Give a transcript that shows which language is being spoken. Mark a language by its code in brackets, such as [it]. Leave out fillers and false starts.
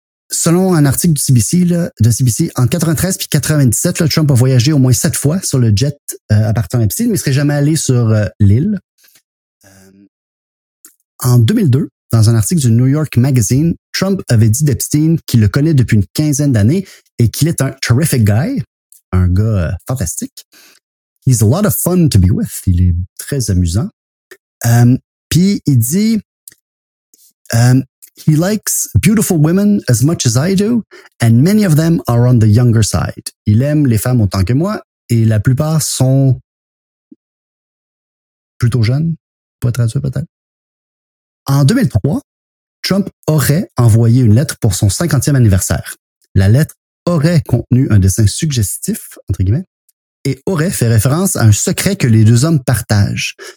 [fr] Selon un article du CBC, entre 93 puis 97, là, Trump a voyagé au moins 7 fois sur le jet appartenant à Epstein, mais il serait jamais allé sur l'île. En 2002, dans un article du New York Magazine, Trump avait dit d'Epstein qu'il le connaît depuis une quinzaine d'années et qu'il est un [en] terrific guy, [fr] un gars fantastique. [en] He's a lot of fun to be with. [fr] Il est très amusant. Puis il dit [en] he likes beautiful women as much as I do and many of them are on the younger side. [fr] Il aime les femmes autant que moi et la plupart sont plutôt jeunes, pas traduit peut-être. En 2003, Trump aurait envoyé une lettre pour son 50e anniversaire. La lettre aurait contenu un dessin suggestif, entre guillemets, et aurait fait référence à un secret que les deux hommes partagent.